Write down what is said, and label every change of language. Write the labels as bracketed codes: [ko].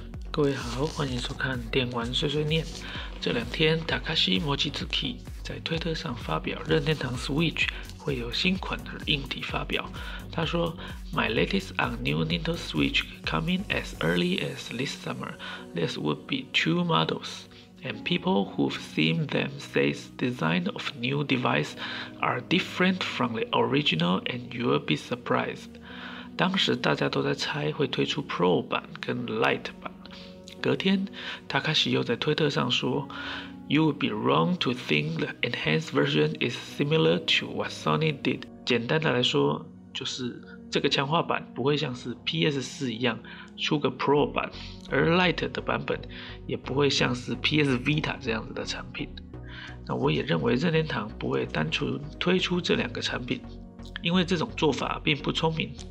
[zh] 各位好，欢迎收看电玩碎碎念。这两天 Takashi Mochizuki 在推特上发表任天堂 Switch 会有新款的硬体发表，他说 [en] My latest on new Nintendo Switch coming as early as this summer. This would be two models and people who've seen them say design of new device are different from the original and you'll be surprised. [zh] 当时大家都在猜会推出 Pro 版跟 Lite 版，隔天 Takashi 又在推特上说 [en] You would be wrong to think the enhanced version is similar to what Sony did. [zh] 简单的来说，就是这个强化版不会像是 PS4 一样出个 Pro 版，而 Lite 的版本也不会像是 PS Vita 这样子的产品。那我也认为任天堂不会单纯推出这两个产品，因为这种做法并不聪明。